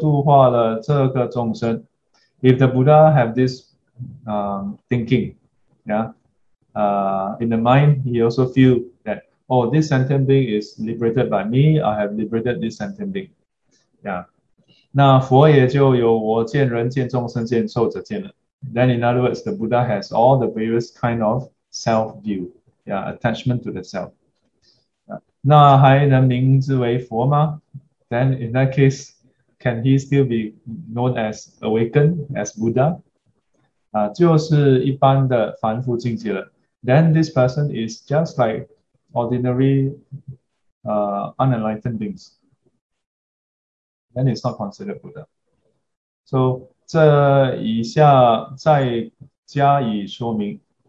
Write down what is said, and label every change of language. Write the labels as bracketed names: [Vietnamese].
[Chinese] 如果佛的内心也觉得这个众生是我度的，我度化了这个众生. [English] If the Buddha have this thinking, in the mind, he also feel that, oh, this sentient being is liberated by me, I have liberated this sentient being. [Chinese] 那佛也就有我见人见众生见寿者见了. [English] Then in other words, the Buddha has all the various kind of self view，呀、yeah，attachment to the self， [Chinese] 那还能名字为佛吗？ [English] Then in that case，can he still be known as awakened as Buddha？ [Chinese] 就是一般的凡夫境界了。 [English] Then this person is just like ordinary, unenlightened beings. Then it's not considered Buddha. [Chinese] So 这以下再加以说明。